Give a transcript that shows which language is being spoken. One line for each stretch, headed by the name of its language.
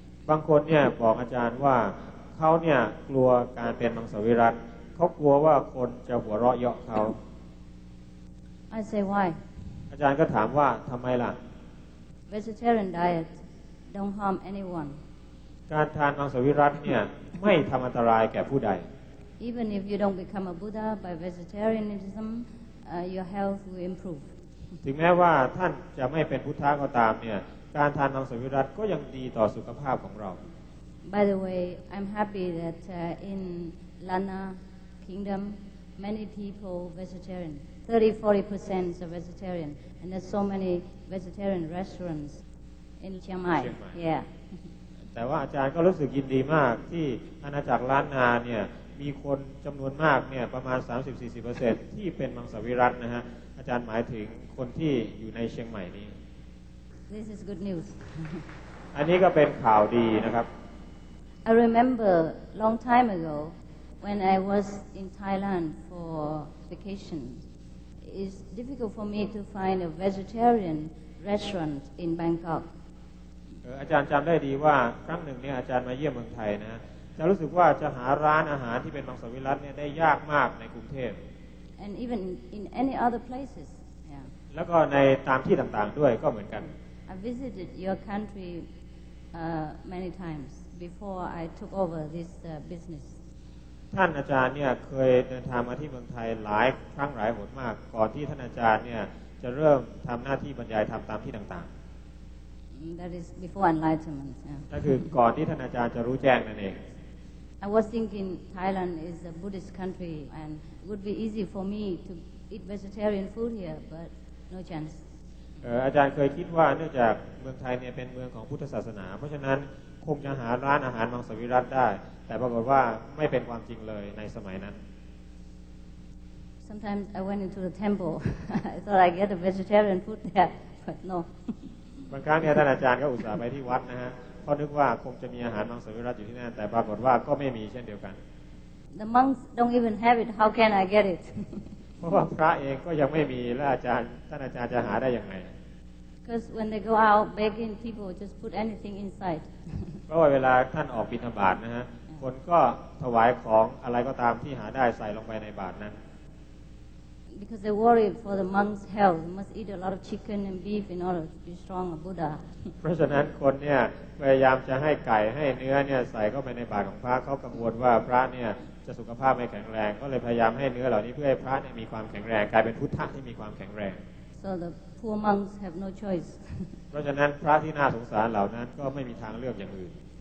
Thai: บางคนเนี่ยบอกอาจารย์ว่าเขาเนี่ยกลัวการเป็นมังสวิรัติเขากลัวว่าคนจะหัวเราะเยาะเขา
English: I say why
Thai: อาจารย์ก็ถามว่าทำไมล่ะ
English: Vegetarian diet don't harm anyone
Thai: การทานมังสวิรัติเนี่ย ไม่ทำอันตรายแก่ผู้ใด
English: Even if you don't become a Buddha by vegetarianism your health will improve
Thai: ถึงแม้ว่าท่านจะไม่เป็นพุทธะก็ตามเนี่ยการทานมังสวิรัติก็ยังดีต่อสุขภาพของเรา
English: By the way I'm happy that in Lanna kingdom many people vegetarian 30-40% are vegetarian and there's so many vegetarian restaurants in Chiang Mai yeah
Thai: แต่ว่าอาจารย์ก็รู้สึกยินดีมากที่อาณาจักรล้านนาเนี่ยมีคนจำนวนมากเนี่ยประมาณ 30-40% ที่เป็นมังสวิรัตินะฮะอาจารย์หมายถึงคนที่อยู่ในเชียงใหม่นี้
English: This is good news.
Thai: อันนี้ก็เป็นข่าวดีนะครับ
English: I remember long time ago when I was in Thailand for vacation. It's difficult for me to find a vegetarian restaurant in Bangkok.
Thai: อาจารย์จำได้ดีว่าครั้งหนึ่งเนี่ยอาจารย์มาเยี่ยมเมืองไทยนะจะรู้สึกว่าจะหาร้านอาหารที่เป็นมังสวิรัติเนี่ยได้ยากมากในกรุงเทพ
English: And even in any other places. Yeah.
Thai: แล้วก็ในตามที่ต่างๆด้วยก็เหมือนกัน
English: I visited your country many times before I took over this business.
Thai: ท่านอาจารย์เนี่ยเคยเดินทางมาที่เมืองไทยหลายครั้งหลายหนมากก่อนที่ท่านอาจารย์เนี่ยจะเริ่มทำหน้าที่บรรยายธรรมตามที่ต่าง
English: ๆ That is before enlightenment.
Thai: ก็คือก่อนที่ท่านอาจารย์จะรู้แจ้งนั่นเอง
English: I was thinking Thailand is a Buddhist country and it would be easy for me to eat vegetarian food here, but no chance.
Thai: อาจารย์เคยคิดว่าเนื่องจากเมืองไทยเนี่ยเป็นเมืองของพุทธศาสนาเพราะฉะนั้นคงจะหาร้านอาหารมังสวิรัติได้แต่ปรากฏว่าไม่เป็นความจริงเลยในสมัยนั้น
English: Sometimes I went into the temple I thought I get a vegetarian food there but no
Thai: บางครั้งเนี่ยท่านอาจารย์ก็อุตส่าห์ไปที่วัดนะฮะเพราะนึกว่าคงจะมีอาหารมังสวิรัติอยู่ที่นั่นแต่ปรากฏว่าก็ไม่มีเช่นเดียวกัน
English: The monks don't even have it how can I get it
Thai: เพราะว่าพระเองก็ยังไม่มีแล้วอาจารย์ท่านอาจารย์จะหาได้ยังไง
English: Because when they go out begging people just put anything inside
Thai: เพราะว่าเวลาท่านออกบิณฑบาตนะฮะคนก็ถวายของอะไรก็ตามที่หาได้ใส่ลงไปในบาตรนั้น
English: Because they worry for the monk's health they must eat a lot of chicken and beef in order to be strong a Buddha
Thai: เพราะฉะนั้นคนเนี่ยพยายามจะให้ไก่ให้เนื้อเนี่ยใส่เข้าไปในบาตรของพระเขากังวลว่าพระเนี่ยจะสุขภาพไม่แข็งแรงก็เลยพยายามให้เนื้อเหล่านี้เพื่อให้พระเนี่ยมีความแข็งแรงกลายเป็นพุทธะที่มีความแข็งแรง
English: So the poor monks have no choice
Thai: เพราะฉะนั้นพระที่น่าสงสารเหล่านั้นก็ไม่มีทางเลือกอย่างอื่น